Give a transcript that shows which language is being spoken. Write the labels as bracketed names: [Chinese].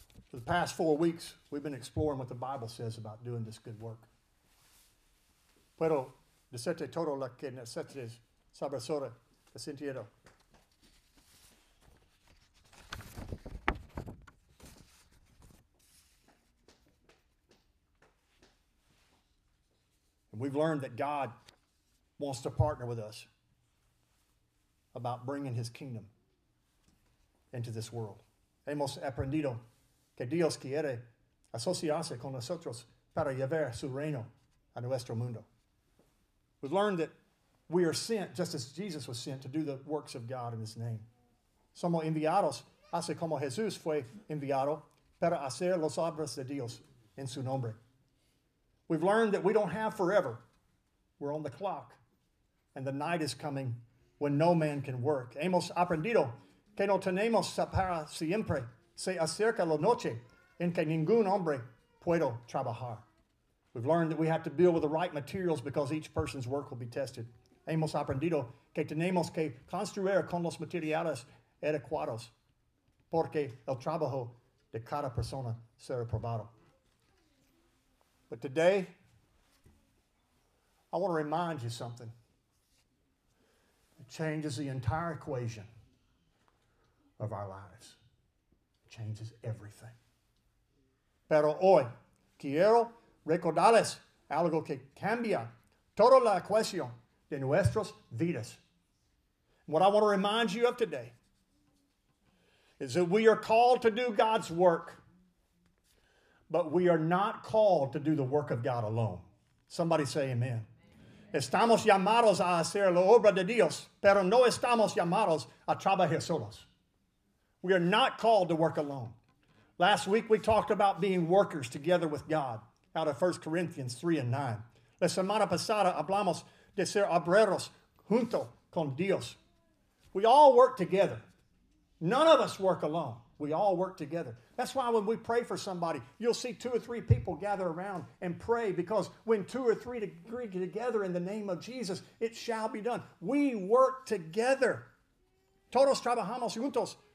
[English] For the past 4 weeks, we've been exploring what the Bible says about doing this good work. [Spanish] Pero decirte todo lo que necesites saber sobre el sentido. [English] And we've learned that God wants to partner with us about bringing his kingdom into this world. [Spanish] Hemos aprendido que Dios quiere asociarse con nosotros para llevar su reino a nuestro mundo. [English] We've learned that we are sent, just as Jesus was sent, to do the works of God in his name. [Spanish] Somos enviados, así como Jesús fue enviado, para hacer las obras de Dios en su nombre. [English] We've learned that we don't have forever. We're on the clock, and the night is coming when no man can work. [Spanish] Hemos aprendido que no tenemos para siempre. Se acerca la noche en que ningún hombre puede trabajar. [English] We've learned that we have to build with the right materials because each person's work will be tested. [Spanish] Hemos aprendido que tenemos que construir con los materiales adecuados porque el trabajo de cada persona será probado. [English] But today, I want to remind you something. It changes the entire equation of our lives. It changes everything. [Spanish] Pero hoy, quiero recordarles algo que cambia toda la ecuación de nuestras vidas. [English] What I want to remind you of today is that we are called to do God's work, but we are not called to do the work of God alone. Somebody say amen. Amen. [Spanish] Estamos llamados a hacer la obra de Dios, pero no estamos llamados a trabajar solos. [English] We are not called to work alone. Last week we talked about being workers together with God out of 1 Corinthians 3 and 9. [Spanish] La semana pasada hablamos de ser obreros junto con Dios. [English] We all work together. None of us work alone. We all work together. That's why when we pray for somebody, you'll see two or three people gather around and pray, because when two or three agree together in the name of Jesus, it shall be done. We work together. [Spanish] Todos trabajamos juntos.